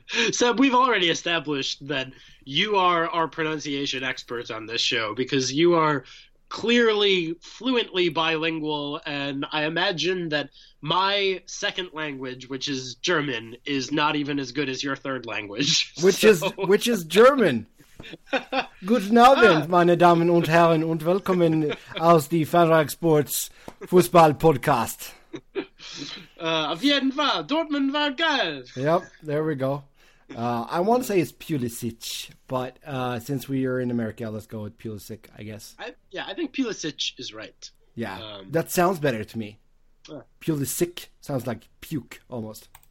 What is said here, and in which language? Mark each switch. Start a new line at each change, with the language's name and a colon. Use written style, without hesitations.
English: So we've already established that you are our pronunciation expert on this show because you are clearly fluently bilingual, and I imagine that my second language, which is German, is not even as good as your third language. Which is German.
German: Guten Abend, meine Damen und Herren, und willkommen aus die Fanrag Sports Fußball Podcast. Auf jeden Fall, Dortmund war geil.
English: Yep, there we go. I want to say it's Pulisic, but since we are in America, let's go with Pulisic, I guess. I think Pulisic is right. Yeah, that sounds better to me. Pulisic sounds like puke, almost.